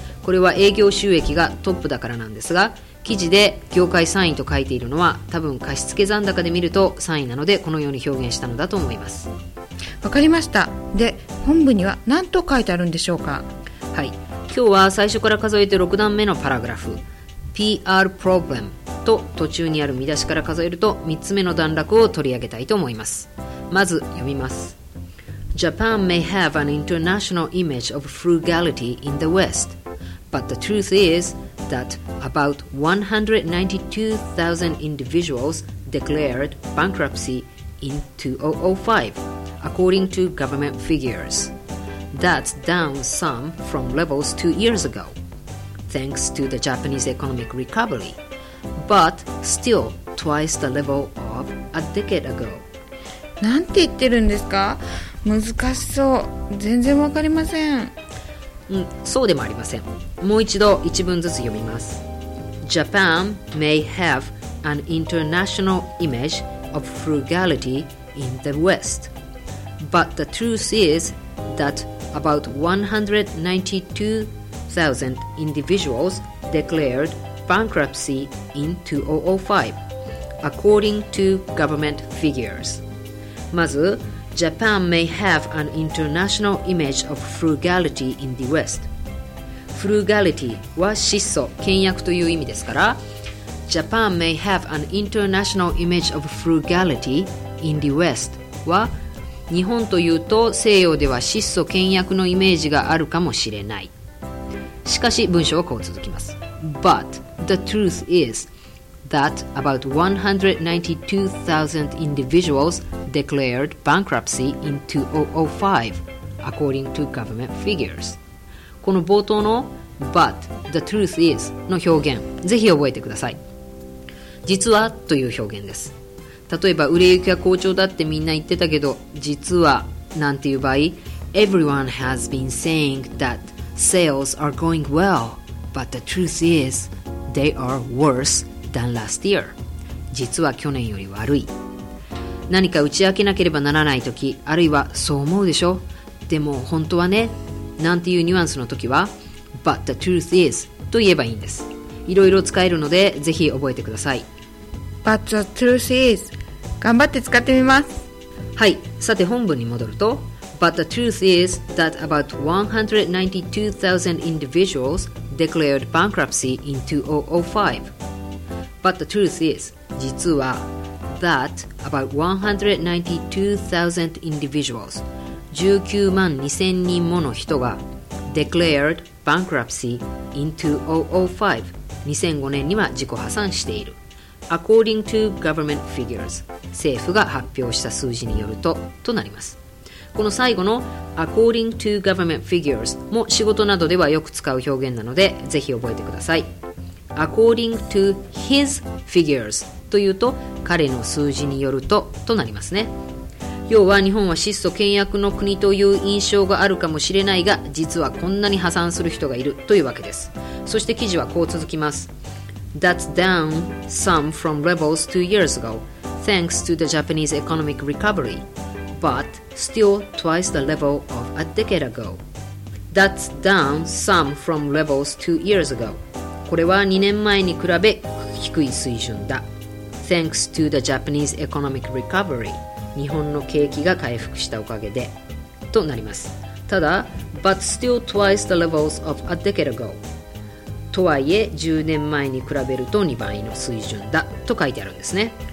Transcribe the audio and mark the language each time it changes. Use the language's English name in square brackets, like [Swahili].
[Japanese] これは営業収益がトップだからなんですが、記事で業界3位と書いているのは多分貸付残高で見ると3位なので、このように表現したのだと思います。わかりました。で、本部には何と書いてあるんでしょうか。はい、今日は最初から数えて6段目のパラグラフ PR problem と途中にある見出しから数えると3つ目の段落を取り上げたいと思います。まず読みます。 [English] Japan may have an international image of frugality in the West, but the truth isThat about 192,000 individuals declared bankruptcy in 2005, according to government figures. That's down some from levels 2 years ago, thanks to the Japanese economic recovery, but still twice the level of a decade ago. [Japanese] なんて言ってるんですか？難しそう。全然わかりません。そうでもありません。もう一度一文ずつ読みます。 [English] Japan may have an international image of frugality in the West, but the truth is that about 192,000 individuals declared bankruptcy in 2005, according to government figures. まずJapan may have an international image of frugality in the West. [Japanese] Frugality は質素、倹約という意味ですから、 [English] Japan may have an international image of frugality in the West [Japanese] は、日本というと西洋では質素倹約のイメージがあるかもしれない。しかし文章はこう続きます。 [English] But the truth isThat about 192,000 individuals declared bankruptcy in 2005, according to government figures. [Japanese] この冒頭の [English] But the truth is [Japanese] の表現、ぜひ覚えてください。実はという表現です。例えば、売れ行きは好調だってみんな言ってたけど、実はなんていう場合、 [English] Everyone has been saying that sales are going well, but the truth is they are worse. than last year. [Japanese] 実は去年より悪い。何か打ち明けなければならないとき、あるいはそう思うでしょ、でも本当はね、なんていうニュアンスのときは [English] But the truth is [Japanese] と言えばいいんです。いろいろ使えるのでぜひ覚えてください。 [English] But the truth is、 [Japanese] 頑張って使ってみます。はい、さて本文に戻ると、 [English] But the truth is that about 192,000 individuals declared bankruptcy in 2005. But the truth is, [Japanese] 実は [English] that about 192,000 individuals, [Japanese] 19万2千人もの人が [English] declared bankruptcy in 2005, [Japanese] 2005年には自己破産している。 [English] According to government figures, [Japanese] 政府が発表した数字によるととなります。この最後の [English] according to government figures [Japanese] も仕事などではよく使う表現なので、ぜひ覚えてください。 [English] According to his figures [Japanese] というと、彼の数字によるととなりますね。要は日本は質素倹約の国という印象があるかもしれないが、実はこんなに破産する人がいるというわけです。そして記事はこう続きます。 [English] That's down some from levels 2 years ago, thanks to the Japanese economic recovery, but still twice the level of a decade ago. That's down some from levels 2 years ago. [Japanese] これは2年前に比べ低い水準だ。 [English] Thanks to the Japanese economic recovery、 [Japanese] 日本の景気が回復したおかげでとなります。ただ [English] But still twice the levels of a decade ago、 [Japanese] とはいえ10年前に比べると2倍の水準だと書いてあるんですね。